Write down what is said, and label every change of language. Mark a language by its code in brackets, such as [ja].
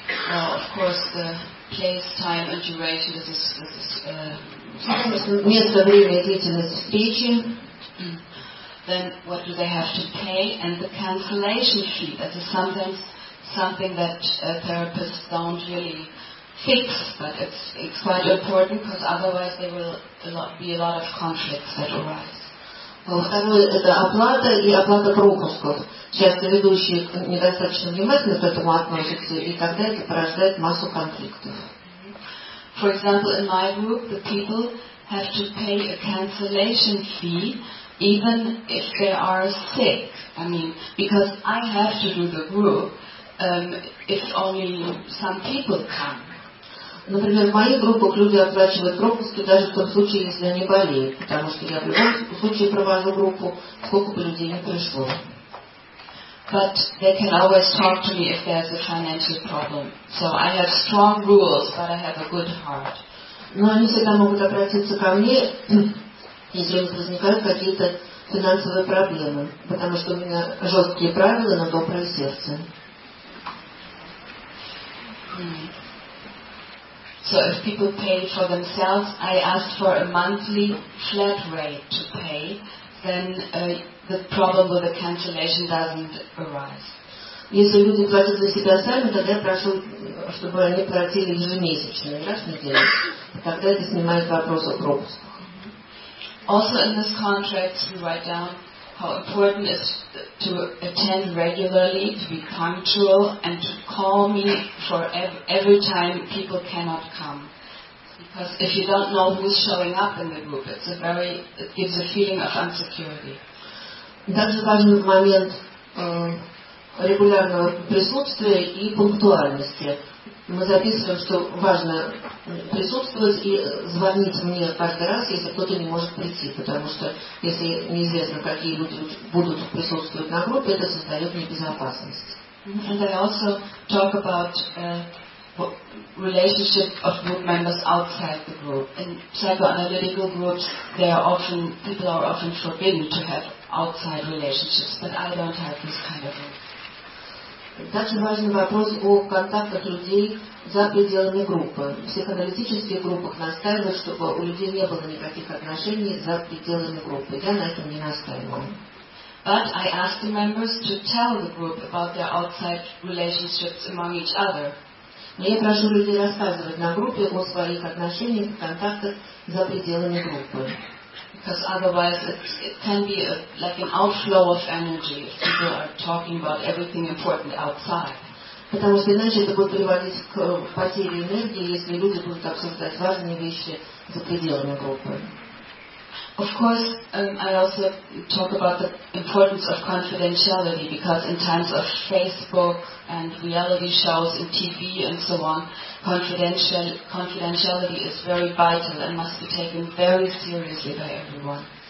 [en] Well, of course, the place, time and duration is [ru] место, время и длительность встречи. [en] then what do they have to pay, and the cancellation fee. That is sometimes something that therapists don't really fix, but it's quite important, because otherwise there will be a lot of conflicts that arise. [ru] Во-вторых, это оплата и оплата пропусков. Часто ведущие недостаточно внимательно к этому относятся, и тогда это порождает массу конфликтов. [en] For example, in my group, the people have to pay a cancellation fee, even if they are sick. I mean, because I have to do the group, if only some people come. [ru] Например, в моих группах люди оплачивают пропуски даже в том случае, если они болеют, потому что я в любом случае провожу группу, сколько бы людей ни пришло. [en] But they can always talk to me if there's a financial problem. So I have strong rules, but I have a good heart. [ru] Но они всегда могут обратиться ко мне, если у них возникают какие-то финансовые проблемы, потому что у меня жесткие правила, но доброе сердце. [en] So if people pay for themselves, I ask for a monthly flat rate to pay, then the problem with the cancellation doesn't arise. [ru] Если люди платят за себя сами, тогда я прошу, чтобы они платили ежемесячно, раз в неделю. Тогда это снимает вопрос о пропусках. [en] Also in this contract we write down how important it is to attend regularly, to be punctual, and to call me for every time people cannot come. Because if you don't know who's showing up in the group, it gives a feeling of insecurity. [ru] Также важен момент регулярного присутствия и пунктуальности. Мы записываем, что важно присутствовать и звонить мне каждый раз, если кто-то не может прийти, потому что если неизвестно, какие люди будут присутствовать на группе, это создает небезопасность. [en] And I also talk about relationship of group members outside the group. In psychoanalytical groups, people are often forbidden to have outside relationships, but I don't have this kind of group. [ru] Также важен вопрос о контактах людей за пределами группы. В психоаналитических группах настаивают, чтобы у людей не было никаких отношений за пределами группы. Я на этом не настаиваю. [en] But I ask the members to tell the group about their outside relationships among each other. [ru] Но я прошу людей рассказывать на группе о своих отношениях, контактах за пределами группы. [en] Because otherwise it can be like an outflow of energy if people are talking about everything important outside. [ru] Потому что иначе это будет приводить к потере энергии, если люди будут обсуждать важные вещи за пределами группы. [en] Of course, I also talk about the importance of confidentiality, because in times of Facebook and reality shows and TV and so on, confidentiality is very vital and must be taken very seriously by everyone.